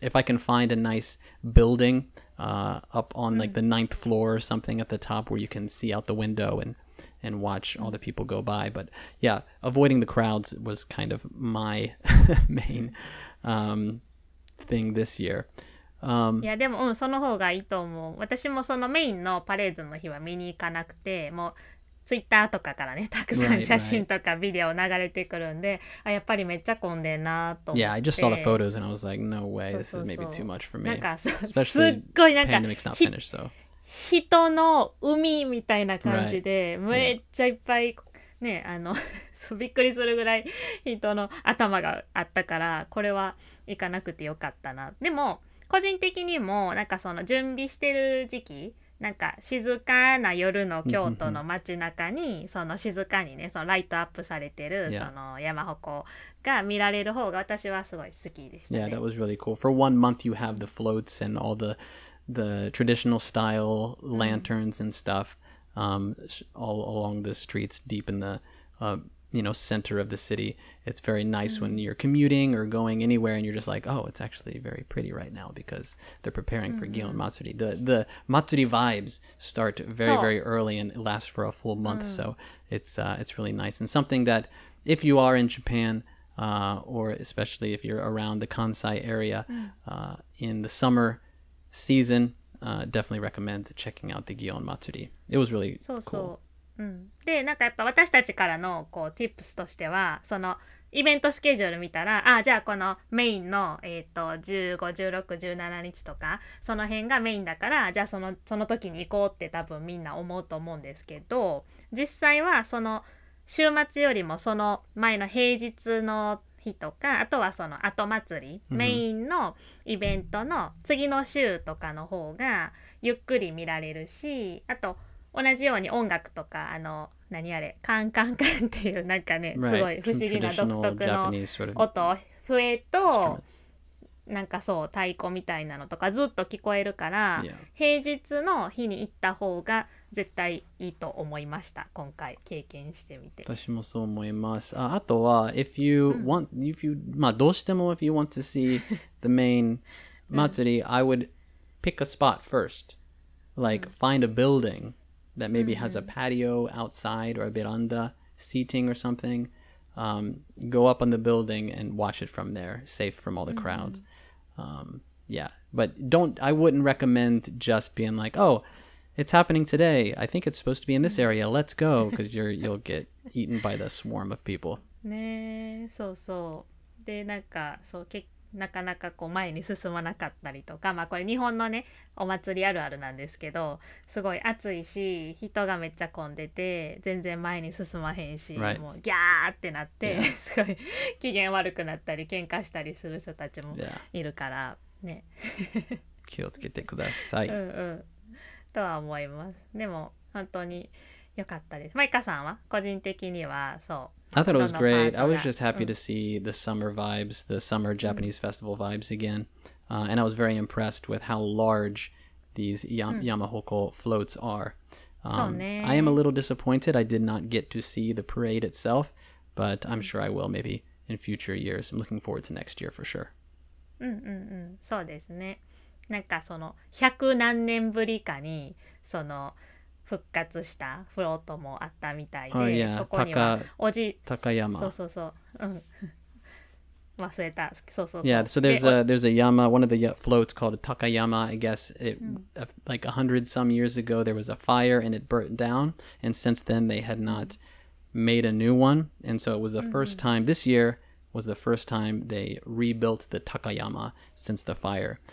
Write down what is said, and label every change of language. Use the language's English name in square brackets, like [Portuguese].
[English] If I can find a nice building up on like the ninth floor or something at the top where you can see out the window and watch all the people go by. But yeah, avoiding the crowds was kind of my main thing this year. [Japanese] いやでもその方がいいと思う。私もそのメインのパレードの日は見に行かなくて、もうツイッターとかからねたくさん写真とかビデオ流れてくるんで、あ、やっぱりめっちゃ混んでんなと思って。 [English] Yeah, I just saw the photos and I was like, no way, this is maybe too much for me. [Japanese] なんかすっごいなんか [English] pandemic's not finished, so. [Japanese] 人の海みたいな感じで、めっちゃいっぱいね、びっくりするぐらい人の頭があったから、これは行かなくてよかったな。でも個人的にもなんかその準備してる時期、なんか静かな夜の京都の街中にその静かにね、そのライトアップされてるその山鉾が見られる方が私はすごい好きでしたね。 [English] Yeah, that was really cool. For 1 month you have the floats and all the traditional style lanterns and stuff all along the streets deep in the center of the city. It's very nice when you're commuting or going anywhere and you're just like, oh, it's actually very pretty right now because they're preparing for Gion Matsuri. The Matsuri vibes start very, very early and last for a full month. So it's really nice. And something that if you are in Japan or especially if you're around the Kansai area in the summer season, definitely recommend checking out the Gion Matsuri. It was really cool. [Japanese] で、なんかやっぱ私たちからのこう、ティップスとしては、その、イベントスケジュール見たら、あ、じゃあこのメインの、15、16、17日とかその辺がメインだから、じゃあその時に行こうって多分みんな思うと思うんですけど、実際はその週末よりもその前の平日の日とか、あとはその後祭り、メインのイベントの次の週とかの方がゆっくり見られるし、あと同じように音楽とか、あの何あれ、カンカンカンっていうなんかね、すごい不思議な独特の音、笛となんかそう太鼓みたいなのとかずっと聞こえるから、平日の日に行った方が絶対いいと思いました、今回経験してみて。私もそう思います。あとは [English] if you want、うん、if you、 [Japanese] まあ、どうしても [English] if you want to see the main 祭り、うん、I would pick a spot first, like、うん、find a buildingthat maybe has a patio outside or a veranda seating or something, go up on the building and watch it from there, safe from all the crowds. Yeah, but I wouldn't recommend just being like, oh, it's happening today. I think it's supposed to be in this area. Let's go, because you'll get eaten by the swarm of people. [Japanese] ねえ、そうそう。で、なんか、そう、なかなかこう前に進まなかったりとか、まあこれ日本のねお祭りあるあるなんですけど、すごい暑いし人がめっちゃ混んでて全然前に進まへんし、 [English] right. [Japanese] もうギャーってなって、yeah. すごい機嫌悪くなったり喧嘩したりする人たちもいるからね、 yeah. 気をつけてくださいうん、うん、とは思います。でも本当に良かったです。マイカさんは個人的にはそう、 [English] I thought it was great. I was just happy to see the summer vibes, the summer Japanese festival vibes again. And I was very impressed with how large these Yamahoko floats are. I am a little disappointed. I did not get to see the parade itself, but I'm sure I will maybe in future years. I'm looking forward to next year for sure. [Japanese] そうですね。なんかその百何年ぶりかにその復活したフロートもあったみたいで、 [English] oh, yeah. [Japanese] そこにはおじ高山、そうそうそう、うん、忘れた、そうそうそう。 [English] Yeah, so there's a yama, one of the floats called Takayama. I guess it、うん、like 100 some years ago there was a fire and it burnt down, and since then they had not made a new one, and so it was the first time this year was the first time they rebuilt the Takayama since the fire.